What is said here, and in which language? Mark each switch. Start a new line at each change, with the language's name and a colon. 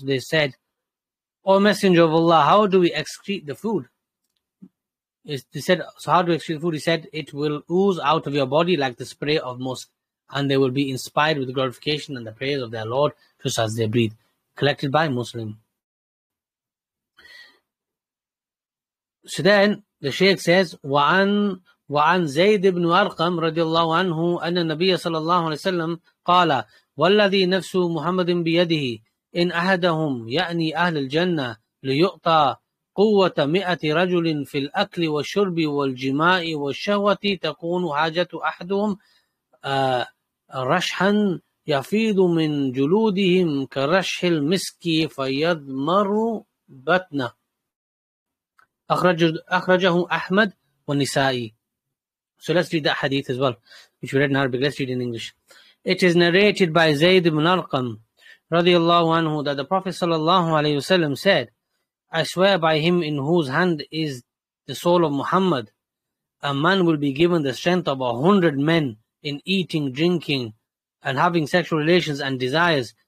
English: They said, O Messenger of Allah, how do we excrete the food? He said, it will ooze out of your body like the spray of musk, and they will be inspired with glorification and the praise of their Lord just as they breathe. Collected by Muslim. So then the Shaykh says,
Arabic: وَعَنْ زَيْدِ بْنُ أَرْقَمْ رَضِيَ اللَّهُ عَنْهُ أَنَّ النَّبِيَ صَلَى اللَّهُ عَلَيْهِ وَسَلَّمْ قَالَ وَالَّذِي نَفْسُ مُحَمَّدٍ بِيَدِهِ إِنْ أَحَدَهُمْ يَأْنِي أَهْلَ الْجَنَّةِ لِيُؤْطَى قوة 100 رجل في الأكل والشرب والجماع والشهوة تكون حاجة أحدهم رشحا يفيض من جلودهم كرشح المسك فيضمر بطنه. أخرجه أحمد والنسائي.
English: So let's read that hadith as well, which we read in Arabic. Let's read in English. It is narrated by Zayd ibn Arqam
Arabic: رضي الله عنه
English: that the Prophet
Arabic: صلى الله عليه وسلم
English: said, I swear by him in whose hand is the soul of Muhammad, a man will be given the strength of 100 men in eating, drinking, and having sexual relations and desires.